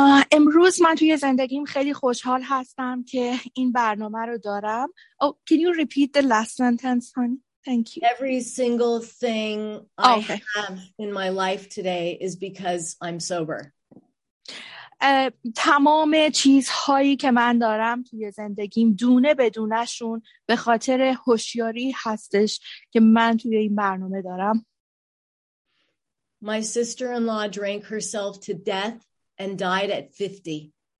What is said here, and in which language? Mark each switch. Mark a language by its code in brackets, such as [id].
[fa] امروز من توی زندگیم خیلی خوشحال هستم که این برنامه رو دارم. [en] Oh, can you repeat the last sentence, honey? Thank you. Every single thing I have in my life today is because I'm sober. [fa] تمام چیزهایی که من دارم توی زندگیم دونه بدونشون به خاطر هوشیاری هستش که من توی این برنامه دارم. [en] My sister-in-law drank herself to death and died at 50.